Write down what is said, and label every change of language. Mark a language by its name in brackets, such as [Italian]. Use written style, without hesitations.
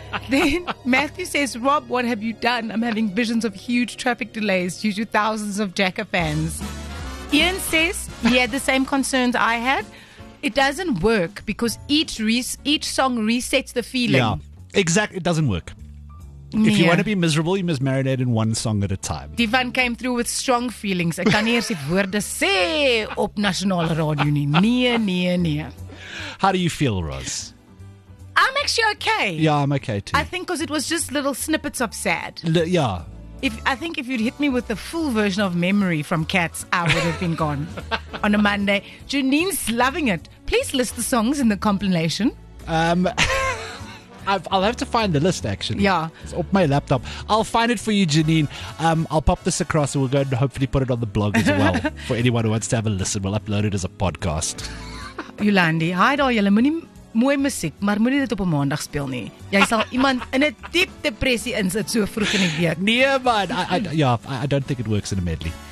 [English] Then Matthew says, Rob, what have you done? I'm having visions of huge traffic delays due to thousands of Jacka fans. Ian says he had the same concerns I had. It doesn't work because each song resets the feeling. Yeah, exactly. It doesn't work. If you want to be miserable, you must marinate in one song at a time. Divan came through with strong feelings. [Afrikaans] Ek kan nie eers die woorde sê op nasionale radio nie. Nee, nee, nee. [English] How do you feel, Roz? I'm actually okay. Yeah, I'm okay too. I think because it was just little snippets of sad. Yeah. If you'd hit me with the full version of Memory from Cats, I would have been gone on a Monday. Janine's loving it. Please list the songs in the compilation. I'll have to find the list, actually. Yeah. It's up my laptop. I'll find it for you, Janine. I'll pop this across and we'll go and hopefully put it on the blog as well for anyone who wants to have a listen. We'll upload it as a podcast. [Afrikaans] Yolandi, hi daar, julle moenie mooi musiek, maar moenie dit op 'n maandag speel nie. Jy sal iemand in 'n diep depressie insit so vroeg in die week. Nee, man, [English] I don't think it works in a medley.